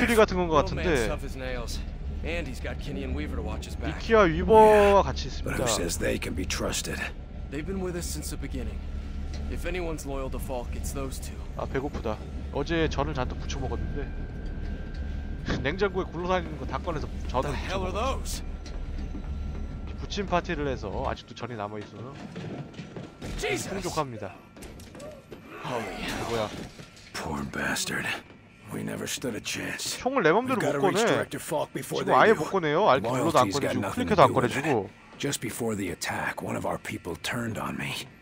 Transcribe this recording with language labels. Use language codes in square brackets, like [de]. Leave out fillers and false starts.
[ko] 미키리 같은 건 것 같은데. 미키와 위버와 같이 있습니다. [en] But who says they can be trusted? They've been with us since the beginning. If anyone's loyal to Falk, it's those two. [ko] 아, 배고프다. 어제 전을 잔뜩 부쳐 먹었는데. 냉장고에 굴러다니는 거 다 꺼내서 전을 부쳐 먹었어. 부침 파티를 해서 아직도 전이 남아 있어. 풍족합니다. 뭐야? [en] Poor bastard. We never stood a chance. [ko] 총을 내 맘대로 못 꺼내. 지금 아예 못 꺼내요. 알키로도 안 꺼내주고 클릭해도 안 꺼내주고. [en] Just before the attack, one of our people turned on me.